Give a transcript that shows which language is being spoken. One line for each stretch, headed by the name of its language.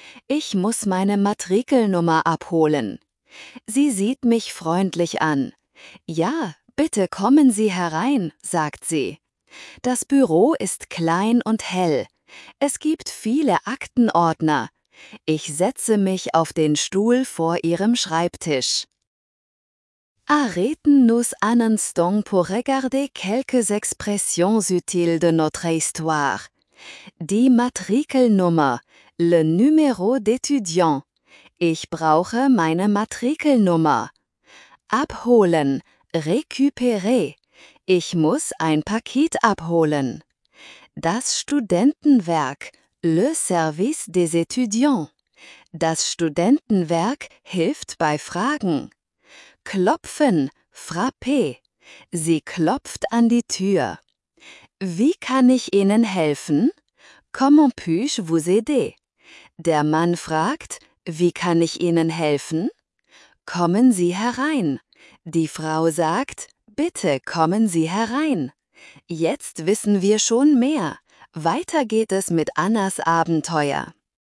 German: Ich muss meine Matrikelnummer abholen. Sie sieht mich freundlich an. Ja, bitte kommen Sie herein, sagt sie. Das Büro ist klein und hell. Es gibt viele Aktenordner. Ich setze mich auf den Stuhl vor ihrem Schreibtisch.
French: Arrêtons-nous un instant pour regarder quelques expressions utiles de notre histoire.
German: Die Matrikelnummer,
French: le numéro d'étudiant.
German: Ich brauche meine Matrikelnummer. Abholen,
French: récupérer.
German: Ich muss ein Paket abholen. Das Studentenwerk,
French: le service des étudiants.
German: Das Studentenwerk hilft bei Fragen. Klopfen,
French: frapper.
German: Sie klopft an die Tür. Wie kann ich Ihnen helfen?
French: Comment puis-je vous aider?
German: Der Mann fragt, wie kann ich Ihnen helfen? Kommen Sie herein. Die Frau sagt, bitte kommen Sie herein. Jetzt wissen wir schon mehr. Weiter geht es mit Annas Abenteuer.